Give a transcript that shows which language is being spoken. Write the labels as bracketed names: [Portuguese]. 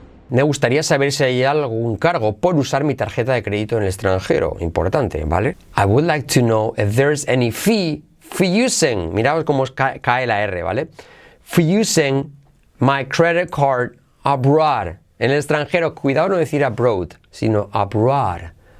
[Spanish] Me gustaría saber si hay algún cargo por usar mi tarjeta de crédito en el extranjero. Importante, ¿vale? [English] I would like to know if there's any fee for using. [Spanish] Miraos cómo cae la R, ¿vale? [English] For using my credit card abroad. [Spanish] En el extranjero, cuidado no decir abroad, sino abroad.